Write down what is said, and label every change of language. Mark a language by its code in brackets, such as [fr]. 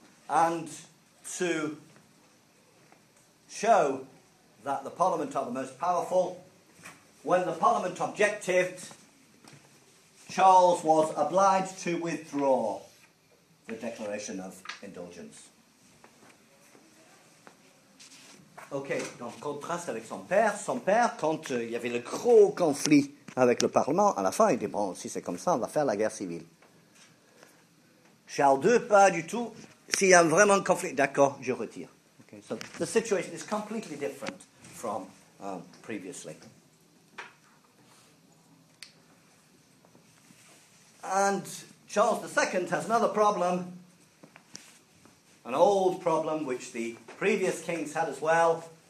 [en] And to show that the Parliament are the most powerful, when the Parliament objected, Charles was obliged to withdraw the Declaration of Indulgence. [fr] Ok, donc contraste avec son père, quand il y avait le gros conflit avec le Parlement, à la fin, il dit, bon, si c'est comme ça, on va faire la guerre civile. Charles II, pas du tout. S'il y a vraiment un conflit, d'accord, je retire. [en] Okay, so the situation is completely different from previously. And Charles II has another problem, an old problem which the previous kings had as well.